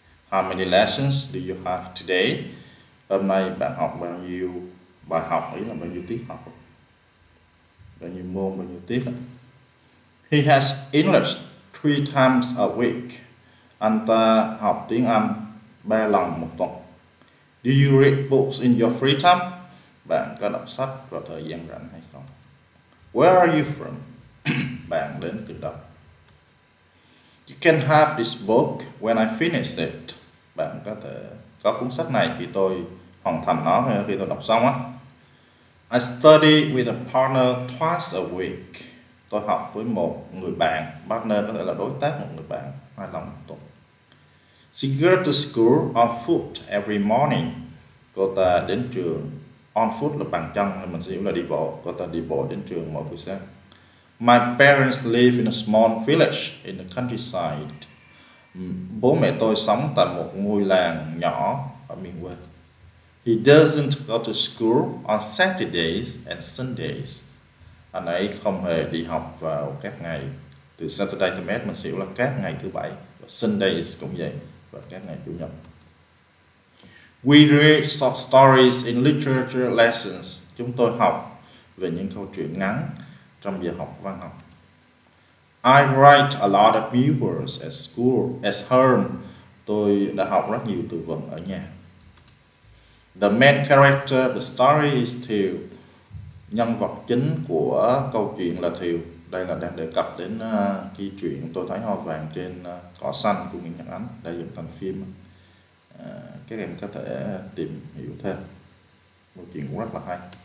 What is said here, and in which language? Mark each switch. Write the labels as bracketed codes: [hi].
[en] How many lessons do you have today? [vi] Hôm nay bạn học bao nhiêu bài học, ý là bao nhiêu tiết học? Bao nhiêu môn, bao nhiêu tiết? [en] He has English 3 times a week. [vi] Anh ta học tiếng Anh 3 lần một tuần. [en] Do you read books in your free time? [vi] Bạn có đọc sách vào thời gian rảnh hay không? [en] Where are you from? [vi] Bạn đến từ đâu? [en] You can have this book when I finish it. [vi] Bạn có thể có cuốn sách này khi tôi hoàn thành nó, khi tôi đọc xong á. [en] I study with a partner twice a week. [vi] Tôi học với một người bạn, partner có thể là đối tác, một người bạn, hai lần một tuần. [en] She goes to school on foot every morning. [vi] Cô ta đến trường on foot là bằng chân, nên mình sẽ hiểu là đi bộ. Cô ta đi bộ đến trường mỗi buổi sáng. [en] My parents live in a small village in the countryside. [vi] Bố mẹ tôi sống tại một ngôi làng nhỏ ở miền quê. [en] He doesn't go to school on Saturdays and Sundays. [vi] Anh ấy không hề đi học vào các ngày từ [en] Saturday to Monday, [vi] mình sẽ hiểu là các ngày thứ bảy. Và Sundays cũng vậy, và các ngày chủ nhật. [en] We read short stories in literature lessons. [vi] Chúng tôi học về những câu chuyện ngắn trong giờ học văn học. [en] I write a lot of new words at school, at home. [vi] Tôi đã học rất nhiều từ vựng ở nhà. [en] The main character of the story is Thiều. [vi] Nhân vật chính của câu chuyện là Thiều. Đây là đang đề cập đến cái chuyện Tôi thấy hoa vàng trên cỏ xanh của Nguyễn Nhật Ánh, đã dựng thành phim. Các em có thể tìm hiểu thêm. Câu chuyện cũng rất là hay.